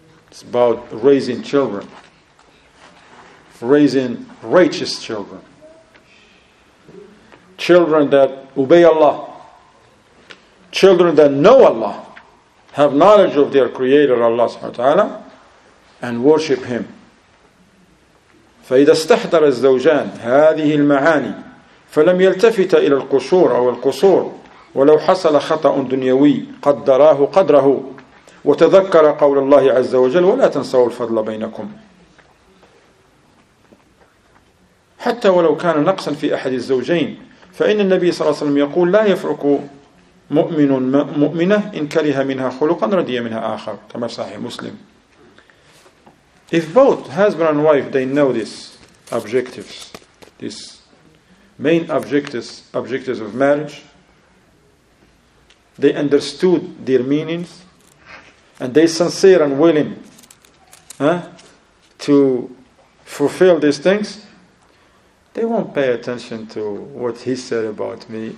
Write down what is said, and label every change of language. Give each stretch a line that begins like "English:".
English: It's about raising children. Raising righteous children. Children that obey Allah. Children that know Allah. Have knowledge of their Creator, Allah subhanahu wa ta'ala, and worship Him.
Arabic: فإذا استحضر الزوجان هذه المعاني فلم يلتفت إلى القشور أو القصور ولو حصل خطأ دنيوي قدراه قدره وتذكر قول الله عز وجل ولا تنسوا الفضل بينكم حتى ولو كان نقصا في أحد الزوجين فإن النبي صلى الله عليه وسلم يقول لا يفرق مؤمن مؤمنة إن كره منها خلقا رضي منها آخر كما صحيح مسلم.
English: If both husband and wife, they know these objectives, these main objectives of marriage, they understood their meanings, and they sincere and willing to fulfill these things, they won't pay attention to what he said about me.